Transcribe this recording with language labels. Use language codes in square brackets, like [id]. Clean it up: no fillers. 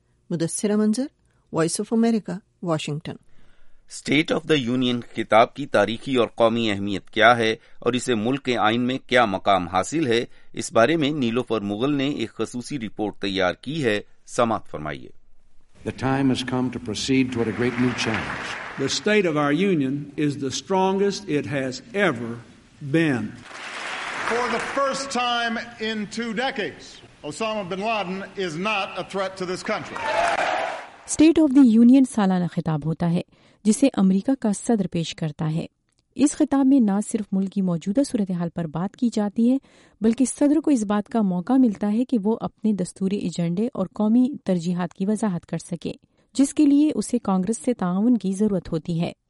[ur] مدثرہ منظر, voice of America, Washington. State of the union خطاب کی تاریخی اور قومی اہمیت کیا ہے اور اسے ملک کے آئین میں کیا مقام حاصل ہے, اس بارے میں نیلوفر مغل نے ایک خصوصی رپورٹ تیار کی ہے, سماعت فرمائیے. [en] The time has come to proceed toward a great new challenge. The state of our union is the strongest it has ever been. For the first time in 2 decades, Osama bin Laden is not a threat to this country. [ur] State of the Union سالانہ خطاب ہوتا ہے جسے امریکہ کا صدر پیش کرتا ہے. اس خطاب میں نہ صرف ملک کی موجودہ صورتحال پر بات کی جاتی ہے بلکہ صدر کو اس بات کا موقع ملتا ہے کہ وہ اپنے دستوری ایجنڈے اور قومی ترجیحات کی وضاحت کر سکے, جس کے لیے اسے کانگریس سے تعاون کی ضرورت ہوتی ہے.